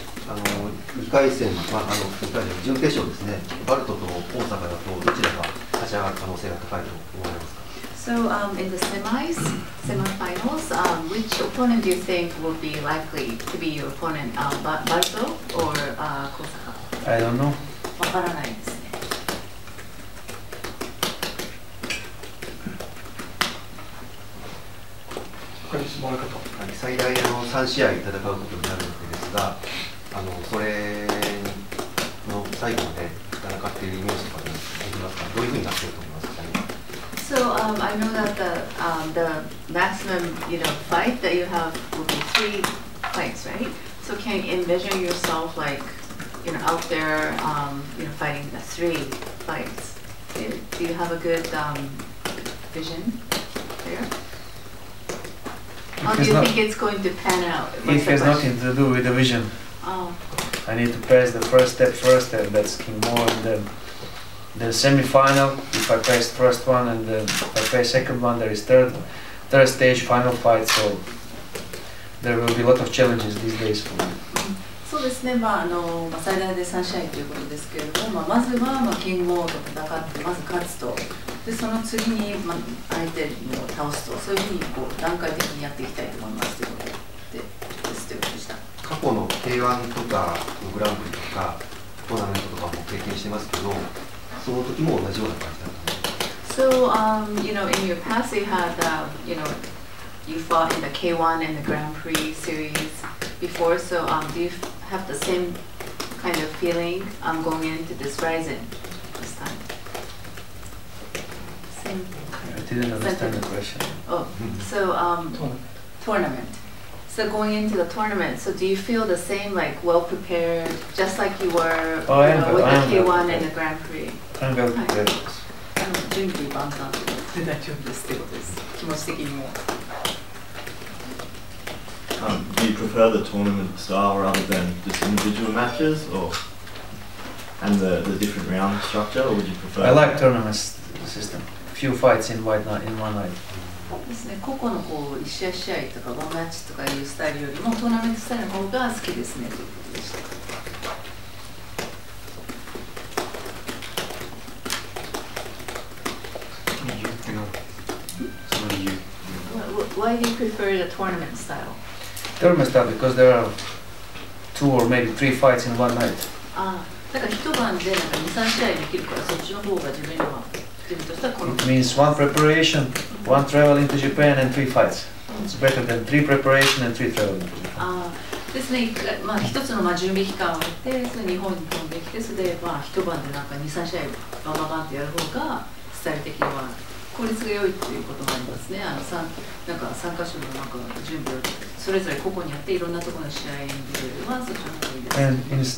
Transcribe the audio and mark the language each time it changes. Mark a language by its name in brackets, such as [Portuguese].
[Japanese] 準決勝ですね、バルトと大阪だとどちらが勝ち上がる可能性が高いと思われますか？ [English] So, in the semis, semifinals, which opponent do you think will be likely to be your opponent, Barto or Kosaka? I don't know. [Japanese] わからないですね。他に質問ある方？はい、最大の3試合戦うことになるわけですが、それの最後で戦っているイメージとかできますか？どういうふうになっていると思いますか？ [English] So I know that the maximum fight that you have will be 3 fights, right? So can you envision yourself out there fighting the 3 fights? Do you have a good vision there? How do you think it's going to pan out? It has nothing to do with the vision. Oh. I need to pass the first step first, and that's Kimura and then. The semi-final, if I pass first one and then if I pass second one, there is third stage final fight, so there will be a lot of challenges these days for me. [Japanese] そうですね、最大で3試合ということですけれども、まずは、キングモーと戦って、まず勝つと、でその次に、相手を倒すと、そういうふうにこう段階的にやっていきたいと思いますということで、ですということでした。過去の K-1 とかのグランプリとか、トーナメントとかも経験してますけど、その時も同じような感じだった。 [English] So, in your past you had, you fought in the K-1 and the Grand Prix series before, so do you have the same kind of feeling going into this Ryzen this time? Same. I didn't understand the question. Tournament. So going into the tournament, so do you feel the same, like well prepared, just like you were with the K-1 and the Grand Prix? Do you prefer the tournament style rather than just individual matches, or and the different round structure, or would you prefer? I like tournament system. Few fights in one night. In one night. [Japanese] ですね。個々のこう一試合試合とかワンマッチとかいうスタイルよりもトーナメントスタイルの方が好きですね。 [English] Why do you prefer the tournament style? Tournament style because there are two or maybe three fights in one night. [Japanese] だから一晩で2、3試合できるからそっちの方が自分には自分としてはこの。 [English] It means one preparation, one traveling to Japan and three fights. It's better than three preparation and three traveling. [Japanese] ですね、まあ、一つの準備期間を経て、日本に飛んできて、それで、まあ、一晩でなんか2、3試合バババンってやる方が、スタイル的には効率が良いということもありますね。あの 3カ所のなんか準備をそれぞれ個々にやって、いろんなところの試合に出るよりは、そちらの方がいいです。